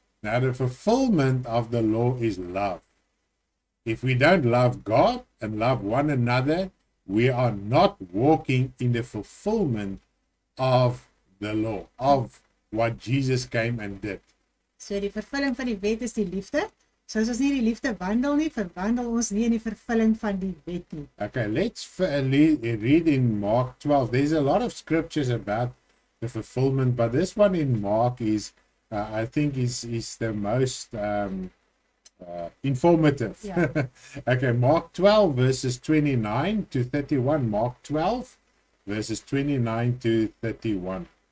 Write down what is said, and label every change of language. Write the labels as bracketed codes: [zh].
[en] Now the fulfillment of the law is love. If we don't love God and love one another, we are not walking in the fulfillment of the law, of what Jesus came and did. [af] So die vervulling van die wet is die liefde. So as ons nie die liefde wandel nie, verwandel ons nie in die vervulling van die wet nie. [en] Okay, let's read in Mark 12. There's a lot of scriptures about the fulfillment, but this one in Mark is I think is the most informative. Yeah. Okay, Mark 12 verses 29 to 31. Mark 12 verses 29 to 31.